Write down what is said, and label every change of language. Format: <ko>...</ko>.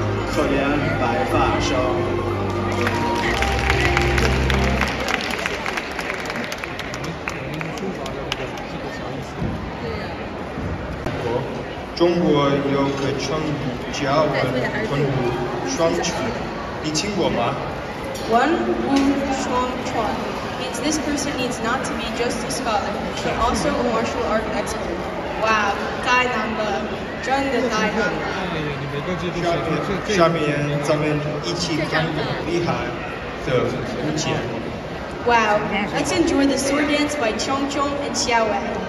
<zh>可怜白发生。中国有个成语叫文武双全，你听过吗？</zh> <en>文武双全 means this person needs not to be just a scholar, but also a martial art expert.</en> <zh>Wow, 太难了，真的太难了。下面咱们一起看厉害的舞剑。</zh> <en>Wow, let's enjoy the sword dance by Chong Chong and Xiao Wei.</en>